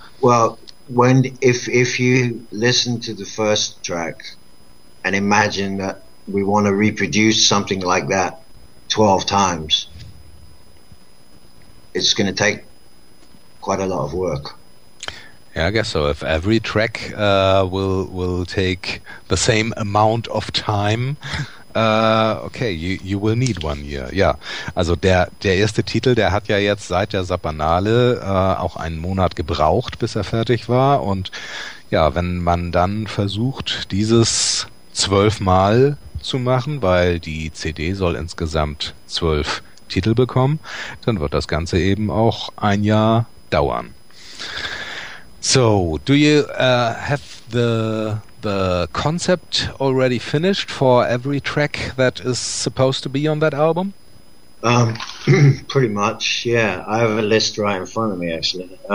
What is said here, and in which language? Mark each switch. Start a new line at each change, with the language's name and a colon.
English: Well, if you listen to the first track and imagine that we want to reproduce something like that 12 times, it's going to take quite a lot of work. Yeah, I guess so. If every track will take the same amount of time, okay, you will need 1 year.
German: Ja, also der erste Titel, der hat ja jetzt seit der Sapanale auch einen Monat gebraucht, bis er fertig war. Und ja, wenn man dann versucht, dieses 12-mal zu machen, weil die CD soll insgesamt 12 Titel bekommen, dann wird das Ganze eben auch ein Jahr dauern.
English: So, do you have the concept already finished for every track that is supposed to be on that album? Pretty much, yeah. I have a list right in front of me, actually.